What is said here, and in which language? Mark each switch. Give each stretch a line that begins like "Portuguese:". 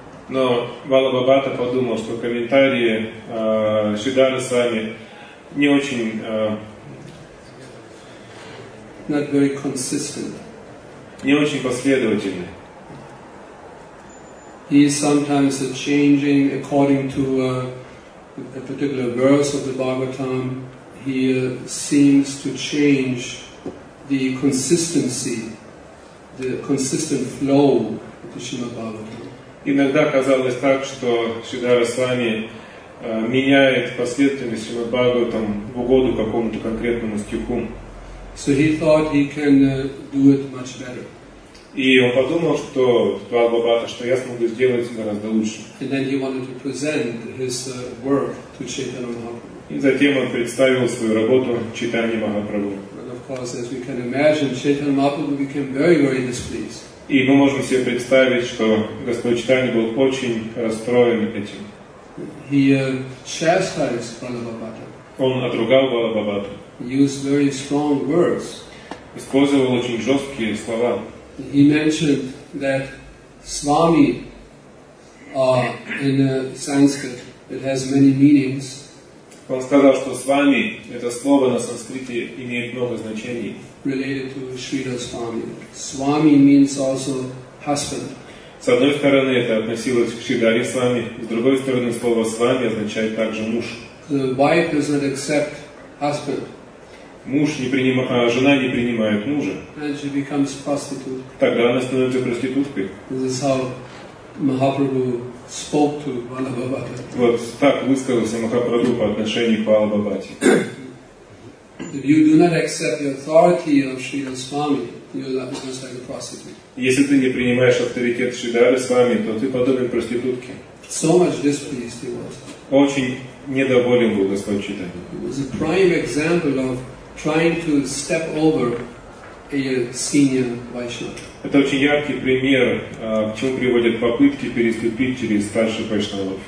Russian: Но Валлабхабхатта подумал, что комментарии Шридхара Свами не очень
English: not very consistent.
Russian: Не очень последовательны.
English: He is sometimes changing according to a particular verse of the Bhagavatam. He seems to change the consistency, the consistent flow of the Srimad Bhagavatam.
Russian: Иногда казалось так, что Шридхара Свами меняет последовательность Шримад Бхагаватам в угоду какому-то конкретному стиху.
English: So he thought he can do it much better.
Russian: И он подумал, что Валлабхабхатта, что я смогу сделать гораздо лучше.
English: And then he wanted to present his work to Chaitanya Mahaprabhu.
Russian: И затем он представил свою работу Чайтанья Махапрабху.
English: And of course, as we can imagine, Chaitanya Mahaprabhu became very, very displeased.
Russian: И мы можем себе представить, что Господь Чайтанья был очень расстроен этим.
English: He chastised Валлабхабхатта.
Russian: Он отругал Валлабхабхатту.
English: Used very strong words.
Russian: Использовал очень жесткие слова.
English: He mentioned that Swami in Sanskrit it has many meanings.
Russian: Он сказал, что Свами это слово на санскрите имеет много значений.
English: Related to Sridhar Swami. Swami means also husband.
Russian: С одной стороны, это относилось к Шридхаре Свами, с другой стороны, слово Свами означает также муж.
English: The wife does not accept husband.
Russian: Муж не принимает, а жена не принимает мужа.
English: And she becomes prostitute.
Russian: Тогда она становится проституткой.
English: This is how Mahaprabhu spoke to Vallabhabhatta.
Russian: Вот так высказался Махапрабху по отношению к Валлабхабхатте.
English: If you do not accept the authority of Sridhar Swami, you are just like a prostitute.
Russian: Если ты не принимаешь авторитет Шридхары Свами, то ты подобен проститутке.
English: So much displeased he was.
Russian: Очень недоволен был Господь Чайтанья.
English: It was a prime example of trying to step over a senior Vaishnava.
Russian: Это очень яркий пример, к чему приводят попытки переступить через старших вайшнавов.